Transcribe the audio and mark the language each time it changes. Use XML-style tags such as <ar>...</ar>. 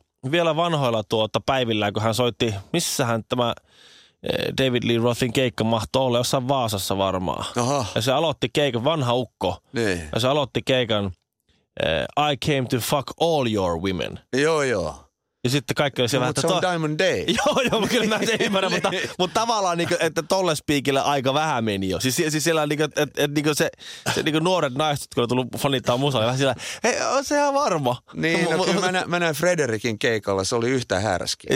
<fi>Vielä vanhoilla tuota, päivillä, kun hän soitti, missähän tämä David Lee Rothin keikka mahtoi olla, jossain Vaasassa varmaan. Aha. Ja se aloitti keikan, vanha ukko, niin. Ja se aloitti keikan.</fi> <en>I came to fuck all your women.</en> <fi>Joo. Ja sitten kaikki oli siellä, että... Mutta se on Diamond Day. Joo, kyllä mä sen ymmärrän, mutta tavallaan, niin kuin, että tolle spiikille aika vähän meni jo. Siis siellä on, niin kuin, että niin kuin se niin kuin nuoret naiset, jotka on tullut fanittaa musaa, vähän siellä, hei, on se ihan varma. Niin, no, kyllä mä näin Frederikin keikalla, se oli yhtä härskiä.</fi>